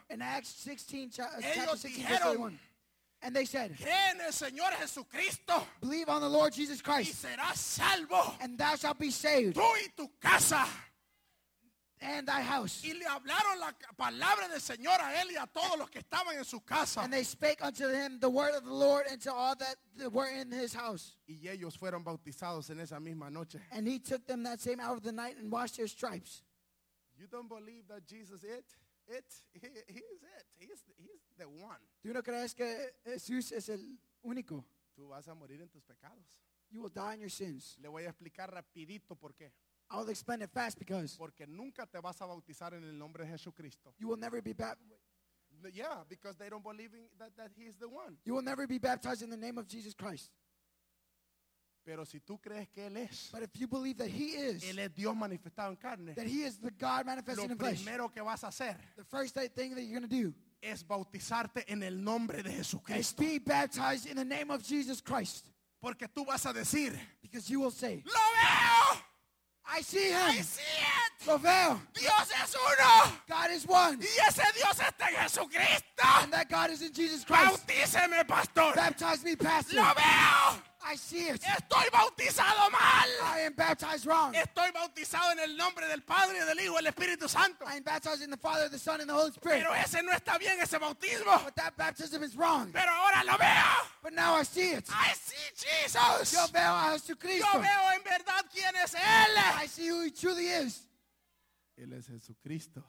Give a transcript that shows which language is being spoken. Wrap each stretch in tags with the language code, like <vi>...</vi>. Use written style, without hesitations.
<en>In Acts 16, chapter 16, verse 31. And they said,</en> <es>cree en el Señor Jesucristo.</es> <en>Believe on the Lord Jesus Christ.</en> <es>Y serás salvo.</es> <en>And thou shalt be saved.</en> <es>Tú y tu casa.</es> <en>And thy house.</en> <es>Y le hablaron la palabra del Señor a él y a todos los que estaban en su casa.</es> <en>And they spake unto him the word of the Lord and to all that were in his house.</en> <es>Y ellos fueron bautizados en esa misma noche.</es> <en>And he took them that same hour of the night and washed their stripes. You don't believe that Jesus is it. He's the one.</en> <es>¿Tú no crees que Jesús es el único? Tú vas a morir en tus pecados.</es> <en>You will die in your sins.</en> <es>Le voy a explicar rapidito por qué.</es> <en>I'll explain it fast because.</en> <es>Porque nunca te vas a bautizar en el nombre de Jesucristo.</es> <en>You will never be baptized. Yeah, because they don't believe in that he is the one. You will never be baptized in the name of Jesus Christ.</en> <es>Pero si tú crees que él es.</es> <en>But if you believe that he is.</en> <es>Él es Dios manifestado en carne.</es> <en>That he is the God manifested in flesh.</en> <es>Lo primero que vas a hacer.</es> <en>The first thing that you're going to do.</en> <es>Es bautizarte en el nombre de Jesucristo.</es> <en>Be baptized in the name of Jesus Christ.</en> <es>Porque tú vas a decir.</es> <en>Because you will say.</en> <es>Lo veo.</es> <en>I see him. I see it.</en> <es>Lo veo. Dios es uno.</es> <en>God is one.</en> <es>Y ese Dios está en Jesucristo.</es> <en>And that God is in Jesus Christ.</en> <es>Bautíceme, pastor.</es> <en>Baptize me, pastor.</en> <es>Lo veo.</es> <en>I see it.</en> <es>Estoy bautizado mal.</es> <en>I am baptized wrong.</en> <es>Estoy bautizado en el nombre del Padre, del Hijo, del Espíritu Santo.</es> <en>I am baptized in the Father, the Son, and the Holy Spirit.</en> <es>Pero ese no está bien, ese bautismo.</es> <en>But that baptism is wrong.</en> <es>Pero ahora lo veo.</es> <en>But now I see it. I see Jesus.</en> <es>Yo veo a Jesucristo. Yo veo en verdad quién es él.</es> <en>I see who he truly is.</en> <es>Él es Jesucristo.</es>